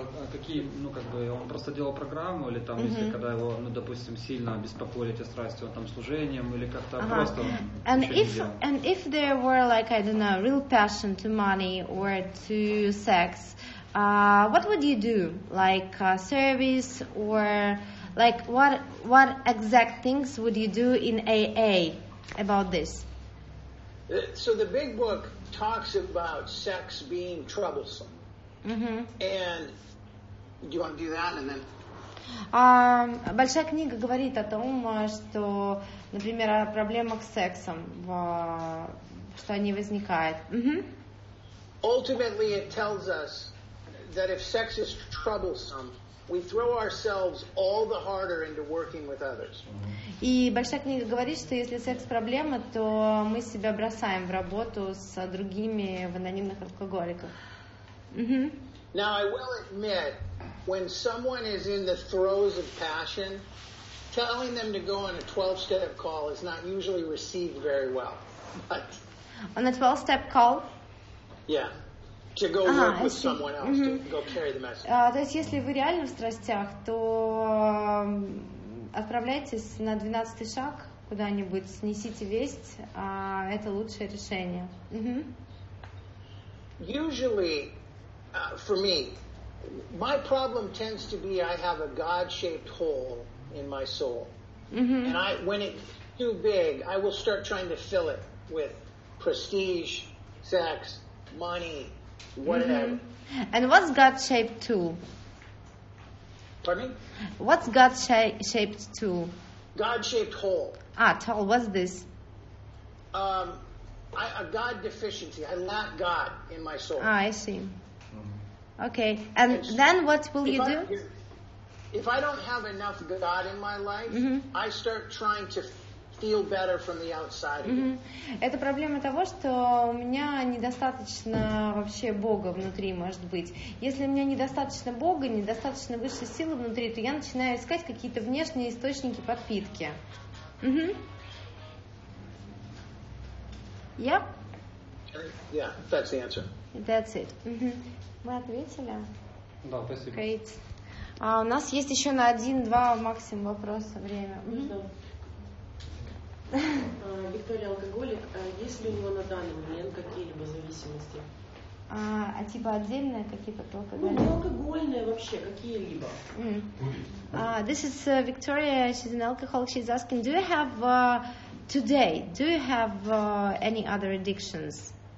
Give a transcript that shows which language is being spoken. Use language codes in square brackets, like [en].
[ru] Какие, ну как бы, он просто делал программу или там, если когда его, ну допустим, сильно беспокоили эти страсти, он там служением или как-то просто. [en] And if there were like I don't know real passion to money or to sex, what would you do? Like service or like what exact things would you do in AA about this? So the big book talks about sex being troublesome. Mm-hmm. And you want to do that, and then. [ru] Большая книга говорит о том, что, например, о проблемах с сексом, что они возникают. [en] Ultimately, it tells us that if sex is troublesome, we throw ourselves all the harder into working with others. [ru] И большая книга говорит, что если секс проблема, то мы себя бросаем в работу с другими в анонимных алкоголиках. [en] Now I will admit, when someone is in the throes of passion, telling them to go on a 12-step call is not usually received very well. But on a 12-step call? Yeah, to go work with someone else mm-hmm. to go carry the message. [ru] То есть если вы реально в страстях, то отправляйтесь на 12-й шаг куда-нибудь, снесите весть, это лучшее решение. [en] Usually. For me, my problem tends to be I have a God-shaped hole in my soul, mm-hmm. and when it's too big, I will start trying to fill it with prestige, sex, money, whatever. Mm-hmm. And what's God-shaped tool? Pardon me? What's God-shaped tool? God-shaped hole. Ah, tool. What's this? A God deficiency. I lack God in my soul. Ah, I see. Okay, and then what will you do? If I don't have enough God in my life, mm-hmm. I start trying to feel better from the outside. Mm-hmm. [ru] Это проблема того, что у меня недостаточно вообще Бога внутри, может быть. Если у меня недостаточно Бога, недостаточно высшей силы внутри, то я начинаю искать какие-то внешние источники подпитки. [en] Yep. Yeah, that's the answer. That's it. [ru] Мы ответили? Да, спасибо. [en] Great. [ru] А у нас есть еще на 1-2 максимум вопроса время. Виктория, алкоголик, есть ли у него на данный момент какие-либо зависимости? А типа отдельные какие-то алкогольные? Ну, алкогольные вообще, какие-либо. [en] This is Victoria, she's an alcoholic, she's asking, do you have today, do you have any other addictions?